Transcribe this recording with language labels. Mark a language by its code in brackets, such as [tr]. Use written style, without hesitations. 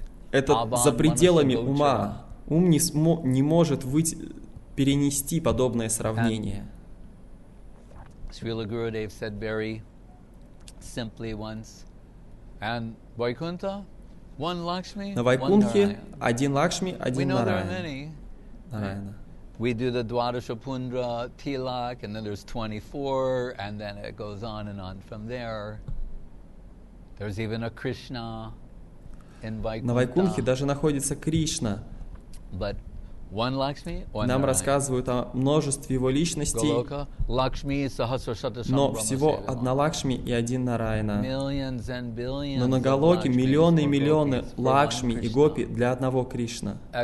[ru] Это за пределами ума. Ум не может перенести подобное сравнение. [en] Srila Gurudev said very simply once, and Vaikuntha, one Lakshmi, one Narayana. [ru] На Вайкунхе один Лакшми, один Нараяна. [en] We do the Dwadashapundra Tilak, and then there's 24, and then it goes on and on from there. There's even a Krishna in Vaikuntha. [ru] На Вайкунхе даже находится Кришна. [en] But one Lakshmi, one [ru] нам рассказывают о множестве его личностей, но всего одна Лакшми и один Нараяна. Но на Галоке миллионы и миллионы Лакшми и Гопи для одного Кришна.